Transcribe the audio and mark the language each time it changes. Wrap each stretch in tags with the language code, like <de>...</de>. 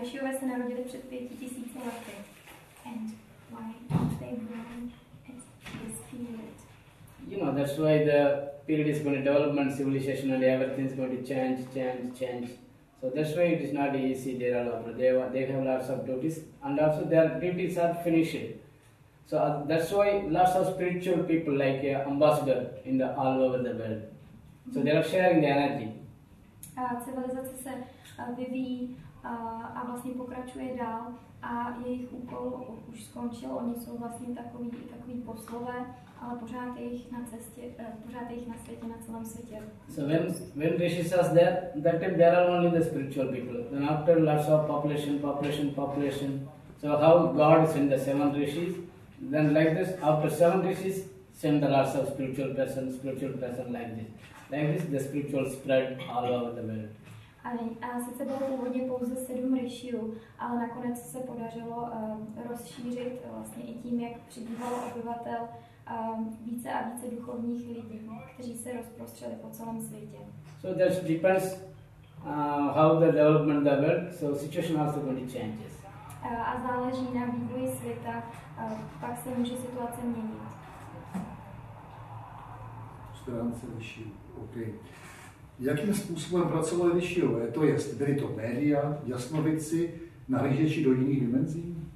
<cs>Rishiové se narodili před 5,000 lety.</cs> <en>And why aren't they born at this period? You know, that's why the period is going to development, civilization, and everything is going to change. So that's why it is not easy. They have lots of duties, and also their duties are finishing. So that's why lots of spiritual people like ambassador in the all over the world. So they are sharing the energy.</en> <cs>Civilizace se vyvíjí a vlastně pokračuje dál a jejich úkol už skončil. Oni jsou vlastně takový poslové, ale pořád jejich na cestě, pořád jejich na světě, na celém světě.</cs> <en>So when Rishis are there, that time there are only the spiritual people. Then after lots of population. So how God sent the 7 Rishis, then like this, after 7 Rishis, send the lots of spiritual person like this. Like this, the spiritual spread all over the world.</en> <cs>A sice bylo původně pouze 7 rishiů, ale nakonec se podařilo rozšířit vlastně i tím, jak přibývalo obyvatel více a více duchovních lidí, kteří se rozprostřeli po celém světě.</cs> <en>So that depends how the development of the world, so situation also going to change.</en> <cs>A záleží na vývoji světa, pak se může situace měnit. Stránce rishiů. Okay. Jakým způsobem pracovali Rishiové? To jest, byli to média, jasnovidci, nahlížeči do jiných dimenzí?</cs>